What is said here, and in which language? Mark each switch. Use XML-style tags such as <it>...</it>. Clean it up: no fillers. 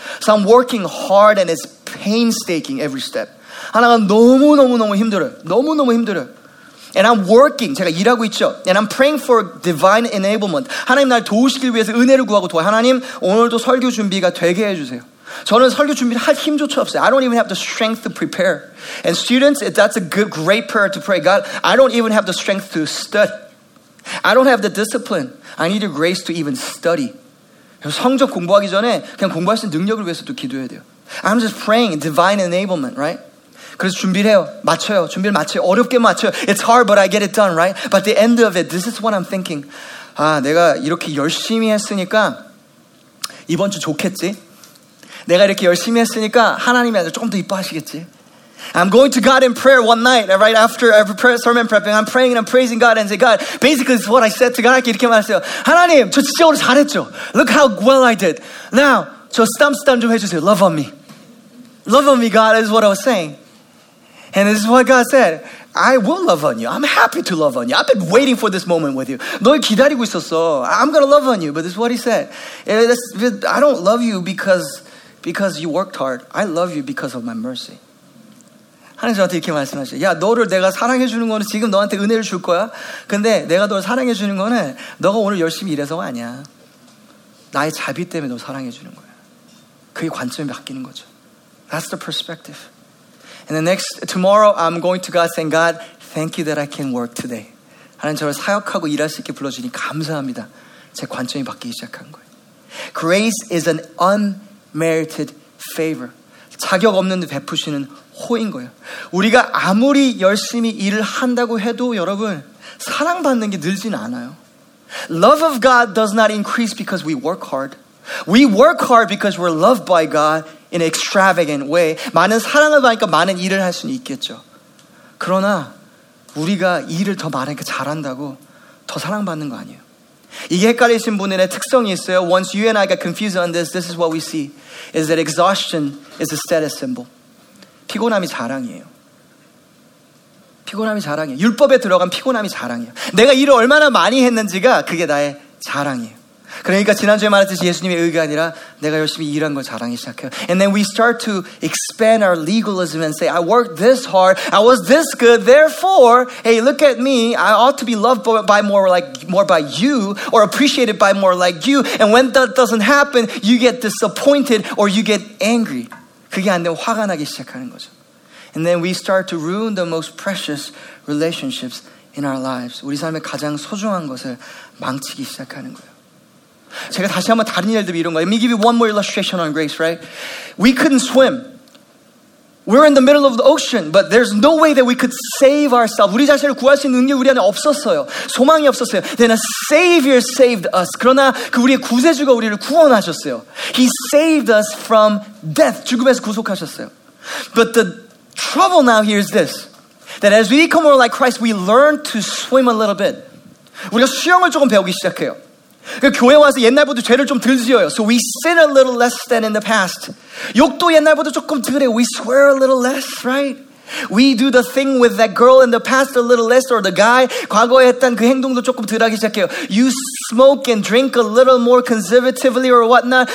<en>So I'm working hard and it's painstaking every step.</en> <ko>하나가 너무너무너무 힘들어요. 너무너무 힘들어요.</ko> <en>And I'm working.</en> <ko>제가 일하고 있죠.</ko> <en>And I'm praying for divine enablement.</en> <ko>하나님 날 도우시길 위해서 은혜를 구하고 도와요. 하나님 오늘도 설교 준비가 되게 해주세요. 저는 설교 준비를 할 힘조차 없어요.</ko> <en>I don't even have the strength to prepare. And students, that's a good, great prayer to pray. God, I don't even have the strength to study. I don't have the discipline. I need your grace to even study.</en> <ko>성적 공부하기 전에 그냥 공부할 수 있는 능력을 위해서 또 기도해야 돼요.</ko> <en>I'm just praying divine enablement, right?</en> <ko>그래서 준비를 해요. 맞춰요. 준비를 맞춰요. 어렵게 맞춰요.</ko> <en>It's hard, but I get it done, right? But the end of it, this is what I'm thinking.</en> <ko>아, 내가 이렇게 열심히 했으니까 이번 주 좋겠지? 내가 이렇게 열심히 했으니까 하나님이 아주 조금 더 이뻐하시겠지?</ko> <en>I'm going to God in prayer one night, right after every sermon prepping. I'm praying and I'm praising God and say, God, basically this is what I said to God.</en> <ko>이렇게 말했어요. 하나님, 저 진짜 오늘 잘했죠?</ko> <en>Look how well I did. Now,</en> <ko>저</ko> <en>stump</en> <ko>좀 해주세요.</ko> <en>Love on me. Love on me, God, is what I was saying. And this is what God said. I will love on you. I'm happy to love on you. I've been waiting for this moment with you.</en> <ko>널 기다리고 있었어.</ko> <en>I'm going to love on you. But this is what he said. I don't love you because you worked hard. I love you because of my mercy.</en> <ko>하나님 저한테 이렇게 말씀하시죠. 야, 너를 내가 사랑해 주는 거는 지금 너한테 은혜를 줄 거야. 근데 내가 너를 사랑해 주는 거는 너가 오늘 열심히 일해서가 아니야. 나의 자비 때문에 너 사랑해 주는 거야. 그게 관점이 바뀌는 거죠.</ko> <en>That's the perspective. And the next, tomorrow, I'm going to God saying, God, thank you that I can work today.</en> <ko>하나님 저를 사역하고 일할 수 있게 불러주니 감사합니다. 제 관점이 바뀌기 시작한 거예요.</ko> <en>Grace is an unmerited favor.</en> <ko>자격 없는 베푸시는 호인 거예요. 우리가 아무리 열심히 일을 한다고 해도 여러분 사랑받는 게 늘진 않아요.</ko> <en>Love of God does not increase because we work hard. We work hard because we're loved by God in an extravagant way.</en> <ko>많은 사랑을 받으니까 많은 일을 할 수는 있겠죠. 그러나 우리가 일을 더 많으니까 잘한다고 더 사랑받는 거 아니에요. 이게 헷갈리신 분들의 특성이 있어요.</ko> <en>Once you and I got confused on this, this is what we see. Is that exhaustion is a status symbol.</en> <ko>피곤함이 자랑이에요. 피곤함이 자랑이에요. 율법에 들어간 피곤함이 자랑이에요. 내가 일을 얼마나 많이 했는지가 그게 나의 자랑이에요. 그러니까 지난주에 말했듯이 예수님의 의가 아니라 내가 열심히 일한 걸 자랑이 시작해요.</ko> <en>And then we start to expand our legalism and say, I worked this hard, I was this good, therefore, hey, look at me, I ought to be loved by more like more by you or appreciated by more like you. And when that doesn't happen, you get disappointed or you get angry.</en> <ko>그게 안 되면 화가 나기 시작하는 거죠.</ko> <en>And then we start to ruin the most precious relationships in our lives.</en> <ko>우리 삶의 가장 소중한 것을 망치기 시작하는 거예요. 제가 다시 한번 다른 예를 들면 이런 거예요.</ko> <en>Let me give you one more illustration on grace, right? We couldn't swim. We're in the middle of the ocean, but there's no way that we could save ourselves.</en> <ko>우리 자신을 구할 수 있는 능력이 우리 안에 없었어요. 소망이 없었어요.</ko> <en>Then a savior saved us.</en> <ko>그러나 그 우리의 구세주가 우리를 구원하셨어요.</ko> <en>He saved us from death.</en> <ko>죽음에서 구속하셨어요.</ko> <en>But the trouble now here is this. That as we become more like Christ, we learn to swim a little bit.</en> <ko>우리가 수영을 조금 배우기 시작해요. 교회 와서 옛날보다 죄를 좀 덜 지어요.</ko> <en>So we sin a little less than in the past.</en> <ko>욕도 옛날보다 조금 덜 해요.</ko> <en>We swear a little less, right? We do the thing with that girl in the past a little less or the guy.</en> <ko>과거에 했던 그 행동도 조금 덜 하기 시작해요.</ko> <en>You smoke and drink a little more conservatively or whatnot.</en>